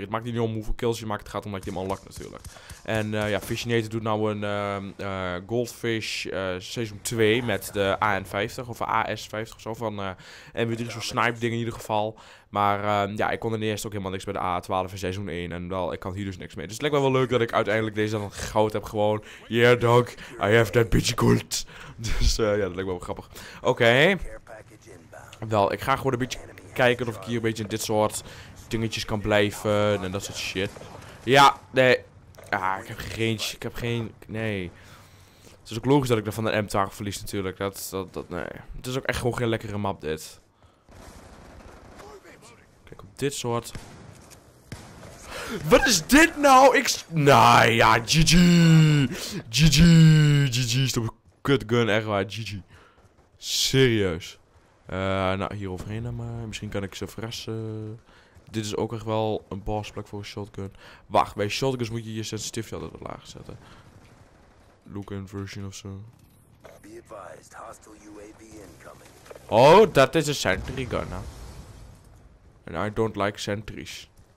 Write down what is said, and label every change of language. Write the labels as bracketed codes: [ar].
[nl] Het maakt niet om hoeveel kills je maakt, het gaat om dat je hem unlockt natuurlijk. En ja, Fishinator doet nou een Goldfish Season 2 met de AN50 of AS50 of zo. Van MW3, zo'n snipe ding in ieder geval. Maar ja, ik kon er eerst ook helemaal niks bij de A12 in Season 1. En wel, ik kan hier dus niks mee. Dus het lijkt me wel leuk dat ik uiteindelijk deze dan goud heb gewoon. [en] Yeah dog, I have that bitch gold. [nl] Dus ja, dat lijkt me wel grappig. Oké. Wel, ik ga gewoon een beetje... Kijken of ik hier een beetje in dit soort dingetjes kan blijven en dat soort shit. Ja, nee. Ah, ik heb geen... Nee. Het is ook logisch dat ik dan van de M-tag verlies natuurlijk. Nee. Het is ook echt gewoon geen lekkere map dit. Kijk op dit soort. Wat is dit nou? Ik... Nou ja, GG. GG. GG. Stop een kutgun, echt waar. GG. Serieus. Nou, hier overheen dan maar. Misschien kan ik ze verrassen. Dit is ook echt wel een bossplek voor een shotgun. Wacht, bij shotguns moet je je sensitivity altijd wat lager zetten. Look inversion of zo. [en] Be advised, hostile UAV incoming. [nl] Oh, dat is een sentry gun. [en] En huh? I don't like sentries.